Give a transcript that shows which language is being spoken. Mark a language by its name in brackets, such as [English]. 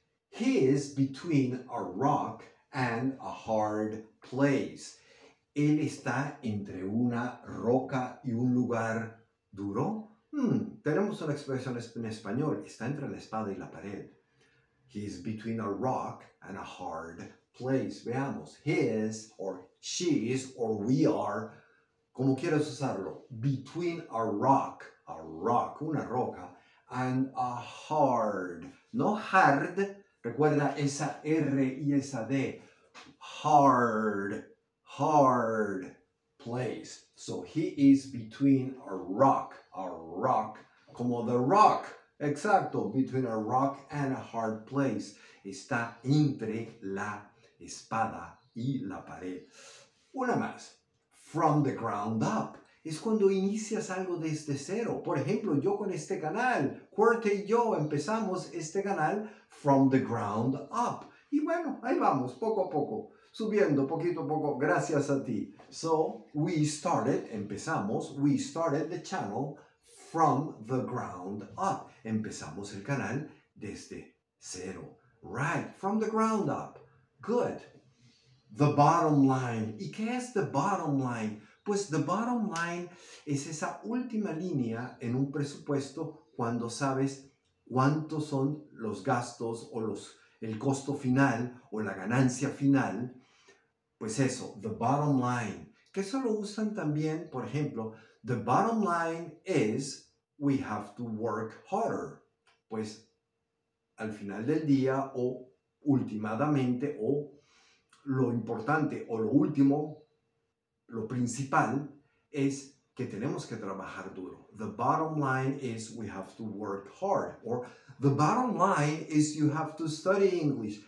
[English] He is between a rock and a hard place. [Spanish] Él está entre una roca y un lugar duro. Tenemos una expresión en español. Está entre la espada y la pared. [English] He's between a rock and a hard place. [Spanish] Veamos. [English] His or she's or we are. [Spanish] Como quieras usarlo. [English] Between a rock, [Spanish] una roca, [English] and a hard. [Spanish] No hard. Recuerda esa R y esa D. [English] Hard, hard place. So he is between a rock, como the rock. Exacto, between a rock and a hard place. [Spanish] Está entre la espada y la pared. Una más. [English] From the ground up. [Spanish] Es cuando inicias algo desde cero. Por ejemplo, yo con este canal, Cuerte y yo empezamos este canal [English] from the ground up. [Spanish] Y bueno, ahí vamos, poco a poco, subiendo poquito a poco, gracias a ti. [English] So, we started the channel from the ground up. [Spanish] Empezamos el canal desde cero. [English] Right, from the ground up. Good. [Spanish] The bottom line. ¿Y qué es the bottom line? Pues the bottom line es esa última línea en un presupuesto cuando sabes cuántos son los gastos o el costo final o la ganancia final. Pues eso, [English] the bottom line. [Spanish] Que eso lo usan también, por ejemplo, [English] the bottom line is we have to work harder. [Spanish] Pues al final del día o últimamente o lo importante o lo último, lo principal, es que tenemos que trabajar duro. [English] The bottom line is we have to work hard. Or the bottom line is you have to study English.